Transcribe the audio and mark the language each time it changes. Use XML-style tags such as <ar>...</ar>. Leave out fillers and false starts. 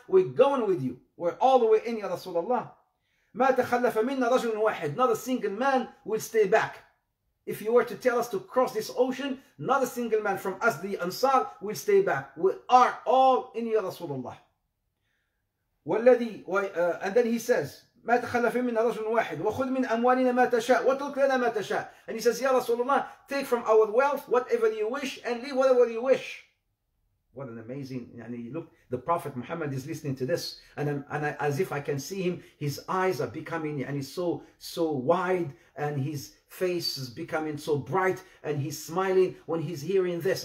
<en>We're going with you. We're all the way in, Ya Rasulullah.</en> <ar>مَا تَخَلَّفَ مِنَّا رَجُلٌ وَاحِدٌ.</ar> <en>Not a single man will stay back. If you were to tell us to cross this ocean, not a single man from us, the Ansar, will stay back. We are all in, Ya Rasulullah. And then he says,</en> <ar>مَا تَخَلَّفِ مِنَّا رَجُلٌ وَاحِدٌ وَخُذْ مِنْ أَمْوَالِنَا مَا تَشَاءُ وَتُرْكْ لَنَا مَا تَشَاءُ.</ar> <en>And he says, Ya Rasulullah, take from our wealth whatever you wish and leave whatever you wish. What an amazing, yani, look, the Prophet Muhammad is listening to this. And I, as if I can see him, his eyes are becoming, yani, so wide, and his face is becoming so bright, and he's smiling when he's hearing this.</en>